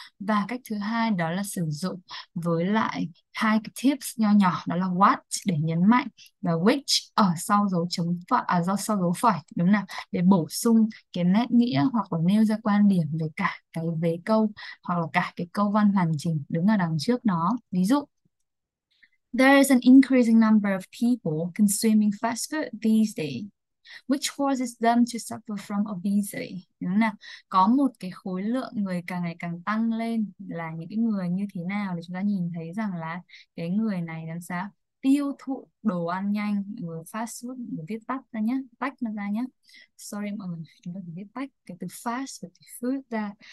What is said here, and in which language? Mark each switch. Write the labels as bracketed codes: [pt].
[vi] Và cách thứ hai đó là sử dụng với lại hai cái tips nho nhỏ, đó là what để nhấn mạnh và which ở sau dấu chấm phẩy, à, do sau dấu phẩy, đúng nào, để bổ sung cái nét nghĩa hoặc là nêu ra quan điểm về cả cái vế câu hoặc là cả cái câu văn hoàn chỉnh đứng ở đằng trước nó. [en] Ví dụ: There is an increasing number of people consuming fast food these days, which causes them to suffer from obesity. [vi] Đúng nào? Có một cái khối lượng người càng ngày càng tăng lên là những cái người như thế nào, để chúng ta nhìn thấy rằng là cái người này làm sao tiêu thụ đồ ăn nhanh, người fast food, mình viết tắt ra nhé, tách nó ra nhé. Sorry mọi người, chúng ta chỉ viết tách cái từ fast và từ food ra.